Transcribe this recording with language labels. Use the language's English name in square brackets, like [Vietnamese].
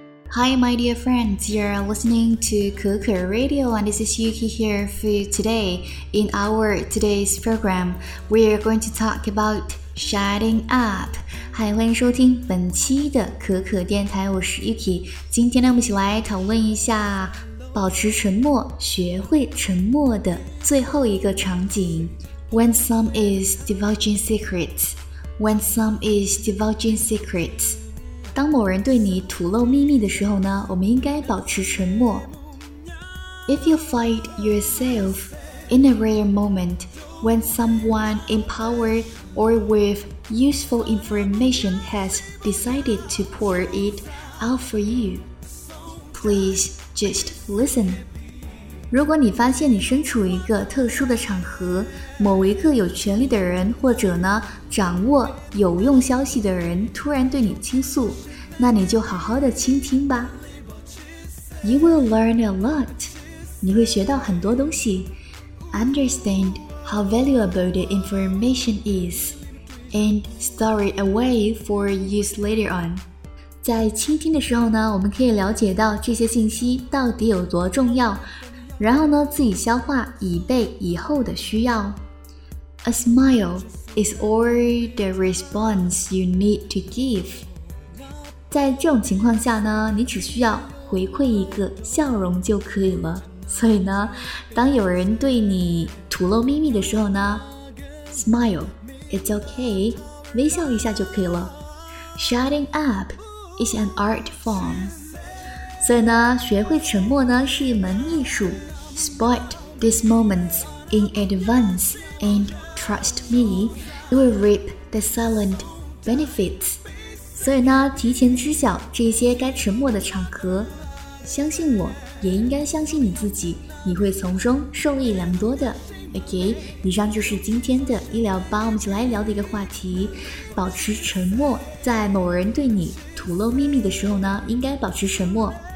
[English] Hi, my dear friends, you're listening to Kuku Radio, and this is Yuki here for you today. In our today's program, we are going to talk about shutting up. [Chinese] Hi, 欢迎收听本期的可可电台，我是 Yuki。今天呢，我们一起来讨论一下保持沉默，学会沉默的最后一个场景。 [English] When some is divulging secrets, when some is divulging secrets. [Chinese] 当某人对你吐露秘密的时候呢，我们应该保持沉默。 [English] If you find yourself in a rare moment when someone in power or with useful information has decided to pour it out for you, please just listen. [Chinese] 如果你发现你身处一个特殊的场合，某一个有权力的人或者呢，掌握有用消息的人突然对你倾诉，那你就好好的倾听吧。 [English] You will learn a lot. [Chinese] 你会学到很多东西。 [English] Understand how valuable the information is and store it away for use later on. [Chinese] 在倾听的时候呢，我们可以了解到这些信息到底有多重要，然后呢，自己消化以备以后的需要。 [English] A smile is all the response you need to give. [Chinese] 在这种情况下呢，你只需要回馈一个笑容就可以了。所以呢，当有人对你吐露秘密的时候呢， [English] Smile, it's okay, [Chinese] 微笑一下就可以了。 [English] Shutting up is an art form. [Chinese] 所以呢，学会沉默呢是一门艺术。 [English] Spot these moments in advance and trust me, you will reap the silent benefits. [Chinese] 所以呢，提前知晓这些该沉默的场合，相信我，也应该相信你自己，你会从中受益良多的。 OK， 以上就是今天的医疗吧，我们一起来聊的一个话题，保持沉默，在某人对你吐露秘密的时候呢，应该保持沉默。